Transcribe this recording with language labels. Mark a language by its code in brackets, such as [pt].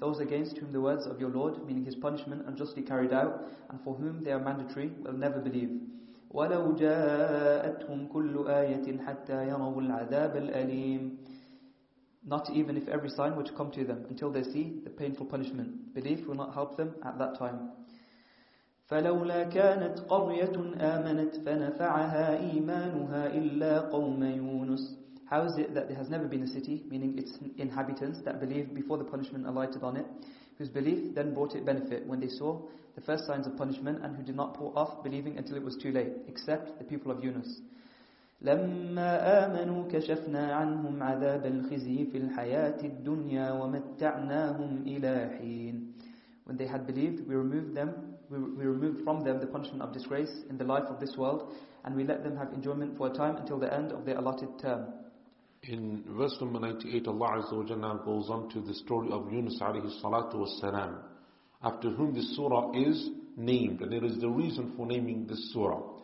[en] Those against whom the words of your Lord, meaning his punishment, unjustly carried out, and for whom they are mandatory, will never believe. [ar] وَلَوْ جَاءَتْهُمْ كُلُّ آيَةٍ حَتَّى يَرَوُوا الْعَذَابَ الْأَلِيمِ. [en] Not even if every sign were to come to them, until they see the painful punishment. Belief will not help them at that time. [ar] فلولا كانت قرية آمنت فنفعها إيمانها إلا قوم يونس. [en] How is it that there has never been a city, meaning its inhabitants, that believed before the punishment alighted on it, whose belief then brought it benefit when they saw the first signs of punishment and who did not put off believing until it was too late, except the people of Yunus. [ar] لما آمنوا كشفنا عنهم عذاب الخزي في الحياة الدنيا ومتعناهم إلى حين. [en] When they had believed, we removed from them the punishment of disgrace in the life of this world, and we let them have enjoyment for a time until the end of their allotted term. In verse number 98, Allah [ar] Azza wa Jalla [en] goes on to the story of Yunus [ar] alayhi salatu wa salam, [en] after whom this surah is named, and there is the reason for naming this surah.